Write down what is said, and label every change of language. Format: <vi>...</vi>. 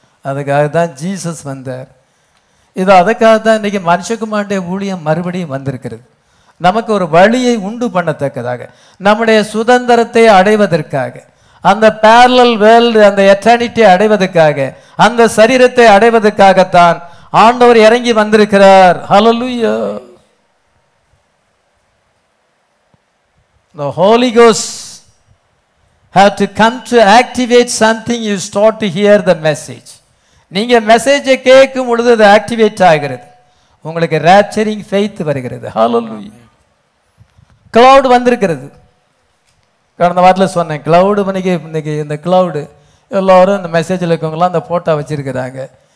<ta>அதுக்காக தான் ஜீசஸ் வந்தார். இது அதுக்காக தான் இன்றைக்கி மனுஷகுமாருடைய ஊழியம் மறுபடியும் வந்திருக்கிறது. நமக்கு ஒரு வழியை உண்டு பண்ணத்தக்கதாக, நம்முடைய சுதந்திரத்தை அடைவதற்காக, அந்த பேரலல் வேர்ல்டு, அந்த எட்டர்னிட்டியை அடைவதற்காக, அந்த சரீரத்தை அடைவதற்காகத்தான் ஆண்டவர் இறங்கி வந்திருக்கிறார். ஹல்லேலூயா.</ta> <en>The Holy Ghost had to come to activate something. You start to hear the message.</en> <ta>நீங்கள் மெசேஜை கேட்கும் பொழுது அது ஆக்டிவேட் ஆகிறது, உங்களுக்கு ராப்சரிங் ஃபெய்த் வருகிறது. ஹல்லேலூயா. கிளவுட் வந்திருக்கிறது. கடந்த வாரத்தில் சொன்னேன், கிளவுடு மணிக்கு இன்றைக்கி இந்த கிளவுடு எல்லோரும் இந்த மெசேஜில் இருக்கவங்களாம் அந்த ஃபோட்டோ வச்சுருக்கிறாங்க.</ta>